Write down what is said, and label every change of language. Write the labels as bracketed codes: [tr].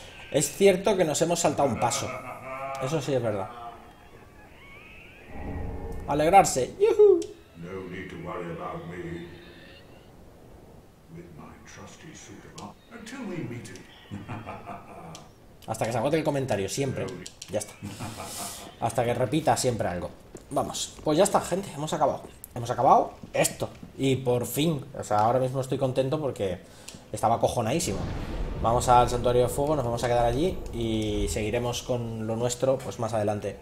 [es] Es cierto que nos hemos saltado un paso. Eso sí es verdad. Alegrarse. ¡Yuhu! [en] No need to worry about me. With my trusty suit of armor. Until we meet it. [es] Hasta que se agote el comentario, siempre. Ya está. Hasta que repita siempre algo. Vamos. Pues ya está, gente. Hemos acabado. Hemos acabado esto. Y por fin. O sea, ahora mismo estoy contento porque estaba acojonadísimo. Vamos al Santuario de Fuego, nos vamos a quedar allí y seguiremos con lo nuestro pues más adelante.